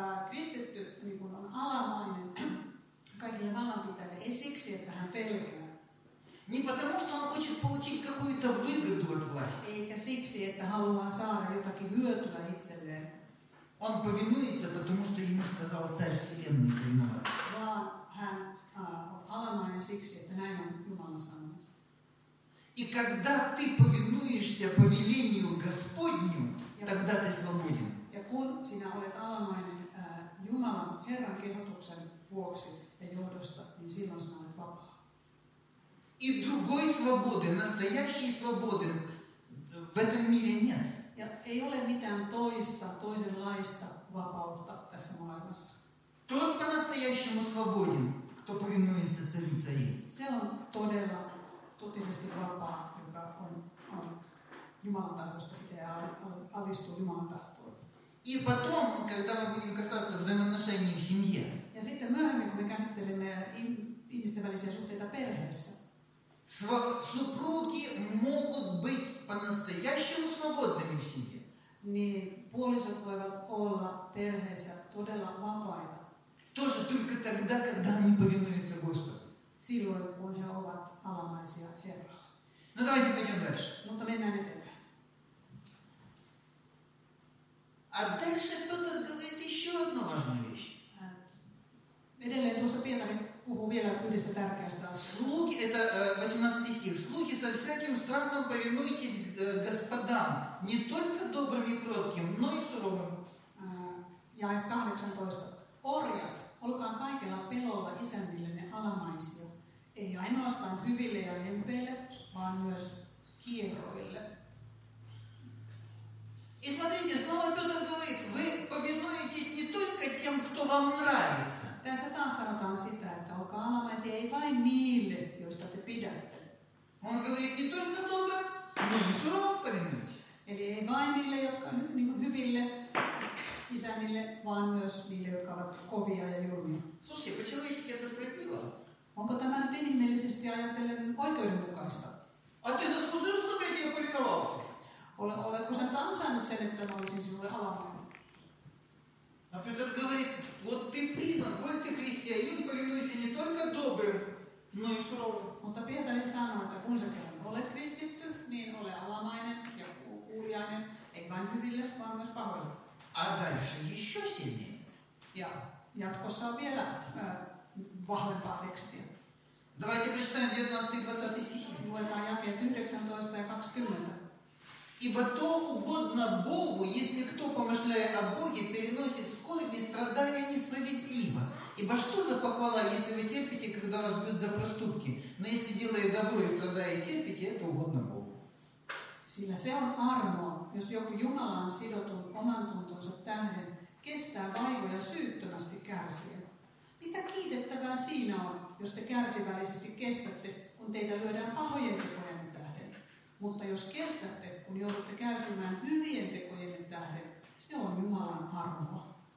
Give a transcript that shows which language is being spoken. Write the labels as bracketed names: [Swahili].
[Finnish] Kristitty niin kun on alamainen kaikille vallanpitäjille, ei siksi, että hän pelkää. [Russian] Niin потому, что он хочет получить какую-то выгоду от власти. [Finnish] Eikä siksi, että haluaa saada jotakin hyötyä itselleen. [Russian] Он повинуется, потому что ему сказал царь вселенной повиноваться. [Finnish] Vaan hän on alamainen siksi, että näin on Jumala sanonut. [Russian] И когда ты повинуешься повелению Господню, тогда ты свободен. [Finnish] Ja kun sinä olet alamainen Jumalan, Herran kehotuksen vuoksi ja johdosta, niin silloin sinä olet vapaa. [Russian] И другой свободы, настоящей свободы в этом мире нет. [Finnish] Ja ei ole mitään toisenlaista vapautta tässä maailmassa. [Russian] Тот по-настоящему свободен, кто повинуется царю царей. [Finnish] Se on todella totisesti vapaa, joka on Jumalan tahdosta sitä ja alistuu Jumalan tahdosta. [Russian] И потом, когда мы будем касаться взаимоотношений в семье. [Finnish] Ja sitten myöhemmin, kun me käsittelemme ihmisten välisiä suhteita perheessä. [Russian] Супруги могут быть по-настоящему свободными в семье. [Finnish] Niin puolisot voivat olla perheessä todella vapaita. [Russian] Тоже только тогда, когда они повинуются Господу. [Finnish] Silloin, kun he ovat alamaisia Herralle. [Russian] No давайте пойдем дальше. [Finnish] Mutta mennään eteenpäin. [Russian] А дальше Петр говорит еще одну важную вещь. [Finnish] Edelleen tuossa Pietari puhuu vielä yhdestä tärkeästä asiasta. [Russian] Слуги, это 18 стих. Слуги со всяким страхом повинуйтесь господам, не только добрым и кротким, но и суровым. [Finnish] Ja 18. Orjat, olkaa kaikella pelolla isännillenne alamaisia, ei ainoastaan hyville ja lempeille, vaan myös kieroille. [Russian] И смотрите, снова Петр говорит, вы повинуетесь не только тем, кто вам нравится. [Finnish] Tässä taas sanotaan sitä, että olkaa alamaisia ei vain niille, joista te pidätte. [Russian] Он говорит, не только добро, но и сурово повинуетесь. [Finnish] Eli ei vain niille, jotka niin hyville isännille, vaan myös niille, jotka ovat kovia ja julmia. [Russian] Слушайте, по-человечески это справедливо. [Finnish] Onko tämä nyt inhimillisesti ajatellen oikeudenmukaista? [Russian] А ты заслужил, чтобы я тебе повиновался? [Finnish] Oletko sen ansainnut sen, että olisin sinulle alamainen? [Russian] No Peter говорит, вот ты признан, коль ты христианин, повинуйся не только добрым, но и суровым. [Finnish] Mutta Pietari sanoi, että kun sä kerran olet kristitty, niin ole alamainen ja kuuliainen, ei vain hyville, vaan myös pahoille. [Russian] А дальше еще сильнее. [Finnish] Ja jatkossa on vielä vahvempaa tekstiä. [Russian] Давайте прочитаем 19-20 стихи. [Finnish] Luetaan jakeet 19 ja 20. [Russian] Ибо то угодно Богу, если кто, помышляя о Боге, переносит скорби и страдая несправедливо. Ибо что за похвала, если вы терпите, когда вас бьют за проступки? Но если делая добро и страдая терпите, это угодно Богу. [Finnish] Sillä se on armoa, jos joku Jumalaan sidotun oman tuntonsa tähden kestää vaivoja syyttömästi kärsiä. Mitä kiitettävää siinä on, jos te kärsivällisesti kestätte, kun teitä lyödään pahojen tekojen tähden? Mutta jos kestätte, kun joudutte kärsimään hyvien tekojen tähden, se on Jumalan armoa.